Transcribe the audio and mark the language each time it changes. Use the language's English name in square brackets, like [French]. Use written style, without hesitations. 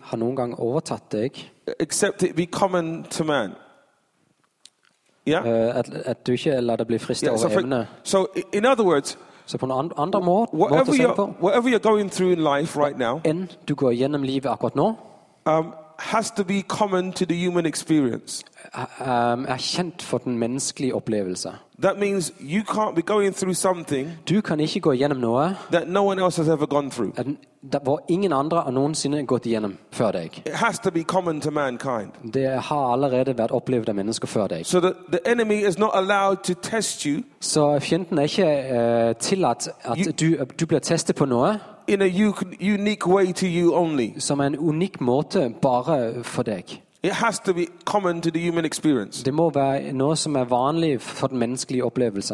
[Norwegian] Har noen gang overtatt deg. [English] Except it be common to man. Yeah? [Norwegian] At du ikke lar det bli fristet over evne. [English] So in other words, [Norwegian] så på en andre måte å se på, [English] whatever you're going through in life right now, [Norwegian] enn du går gjennom livet akkurat nå, [English] has to be common to the human experience. [Norwegian] Kjent for den menneskelige opplevelse. [English] That means you can't be going through something [Norwegian] du kan ikke gå gjennom noe [English] that no one else has ever gone through. [Norwegian] Det var ingen andre har noensinne gått gjennom før deg. [English] It has to be common to mankind. [Norwegian] Det har allerede vært opplevd av mennesker før deg. [English] So the enemy is not allowed to test you. [Norwegian] Så fienden ikke tillatt at du blir testet på noe. [English] In a unique way to you only. [Norwegian] Som en unik måte bare for deg. [English] It has to be common to the human experience. [Norwegian] Det må være noe som vanlig for den menneskelige opplevelsen.